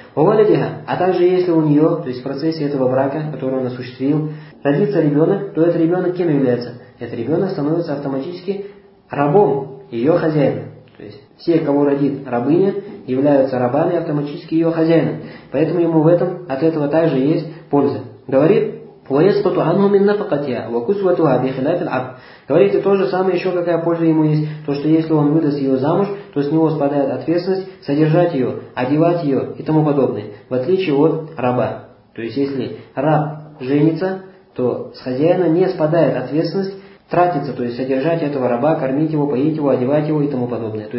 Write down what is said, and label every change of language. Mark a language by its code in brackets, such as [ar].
[ru] Увалидиха, а также если у нее, то есть в процессе этого брака, который он осуществил, родится ребенок, то этот ребенок кем является? Этот ребенок становится автоматически рабом ее хозяина. То есть все, кого родит рабыня, являются рабами автоматически ее хозяина. Поэтому ему в этом, от этого также есть польза. Говорит, [ar] وَيَسْقُطُ عَنْهُ مِنْ نَفَقَتِهَا وَكُسْوَتُهَا بِخِلَافِ الْعَبْدِ. [ru] Говорит, и то же самое еще какая польза ему есть, то что если он выдаст ее замуж, то с него спадает ответственность содержать ее, одевать ее и тому подобное, в отличие от раба. То есть если раб женится, то с хозяина не спадает ответственность тратиться, то есть содержать этого раба, кормить его, поить его, одевать его и тому подобное.